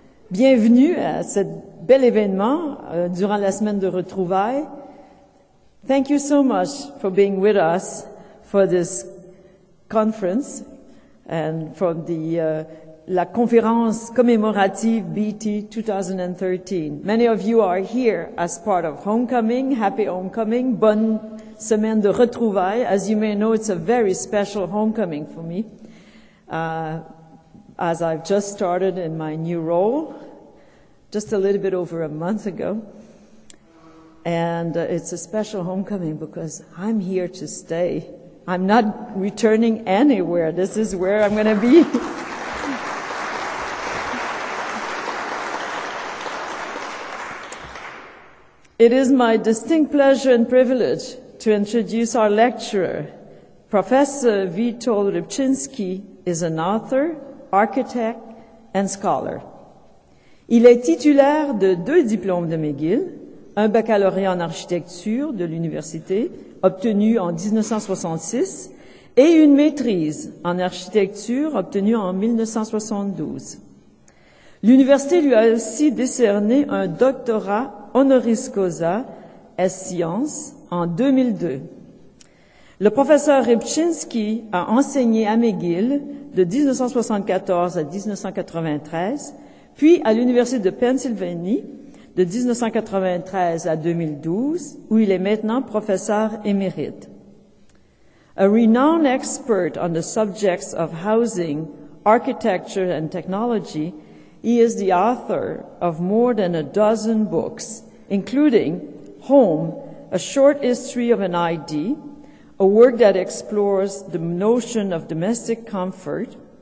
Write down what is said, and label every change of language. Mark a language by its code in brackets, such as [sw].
[fr] Bienvenue à ce bel événement durant la semaine de retrouvailles. [en] Thank you so much for being with us for this conference and for the [fr] la conférence commémorative BT 2013. [en] Many of you are here as part of Homecoming. Happy Homecoming. [fr] Bonne semaine de retrouvailles. [en] As you may know, it's a very special homecoming for me, as I've just started in my new role just a little bit over a month ago. And it's a special homecoming because I'm here to stay. I'm not returning anywhere. This is where I'm going to be. It is my distinct pleasure and privilege to introduce our lecturer. Professor Witold Rybczynski is an author, architect, and scholar. [fr] Il est titulaire de deux diplômes de McGill, un baccalauréat en architecture de l'université obtenu en 1966 et une maîtrise en architecture obtenue en 1972. L'université lui a aussi décerné un doctorat honoris causa es science en 2002. Le professeur Rybczynski a enseigné à McGill de 1974 à 1993, puis à l'Université de Pennsylvanie de 1993 à 2012, où il est maintenant professeur émérite. [en] A renowned expert on the subjects of housing, architecture and technology, he is the author of more than a dozen books, including Home, A Short History of an ID, a work that explores the notion of domestic comfort.